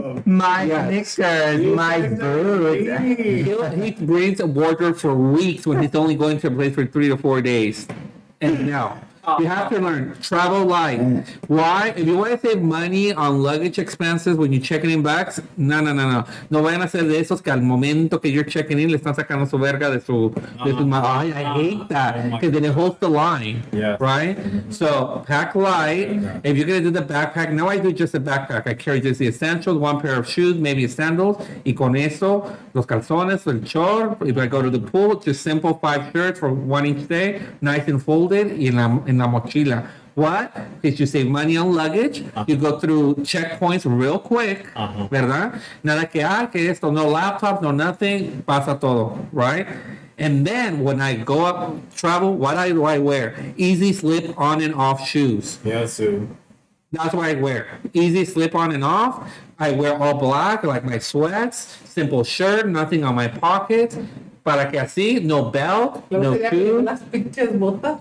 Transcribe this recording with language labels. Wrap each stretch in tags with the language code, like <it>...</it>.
<en>My knickers, my boots. He brings a wardrobe for weeks when he's only going to a place for 3 to 4 days. And now. You have to learn. Travel light. Why? If you want to save money on luggage expenses when you're checking in bags, no.</en> <es>No vayan a hacer de esos que al momento que</es> <en>you're checking in,</en> <es>le están sacando su verga de su... De su</es> <en>I hate that. Because then it holds the line. Yeah. Right? So, pack light. If you're going to do the backpack, now I do just a backpack. I carry just the essentials, one pair of shoes, maybe sandals,</en> <es>y con eso, los calzones, el short.</es> <en>If I go to the pool, just simple 5 shirts for 1 inch day, nice and folded,</en> <es>y en la</es> <en>in the mochila. What? Because you save money on luggage. Uh-huh. You go through checkpoints real quick. Uh-huh.</en> <es>¿Verdad? Nada que esto.</es> <en>No laptop, no nothing.</en> <es>Pasa todo. Right?</es> <en>And then when I go up travel, what do I wear? Easy slip on and off shoes. Yes, sir. That's what I wear. Easy slip on and off. I wear all black, like my sweats, simple shirt, nothing on my pockets.</en> <es>Para que así,</es> <en>no belt, no shoe.</en>